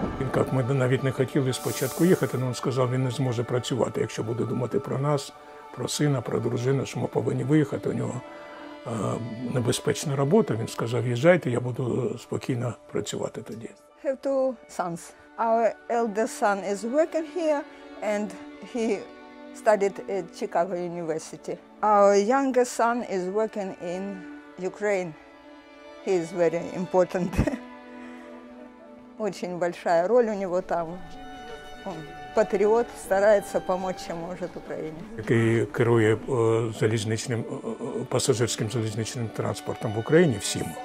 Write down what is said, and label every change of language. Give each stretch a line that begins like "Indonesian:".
Russian: Как
Ukrainian: ми навіть не хотіли спочатку їхати, але він сказав, він не зможе працювати, якщо буде думати про нас, про сина, про дружину, що ми повинні виїхати. У нього небезпечна робота. Він сказав, їжджайте, я буду спокійно працювати тоді.
English: Have two sons. Our eldest son is working here and he studied at Chicago University. Our youngest son is working in Ukraine. He is very important.
Russian: Очень большая роль у него там. Он
Ukrainian: патріот, старається допомогти, чим може, Україні. Який керує залізничним, пасажирським залізничним транспортом в Україні всім.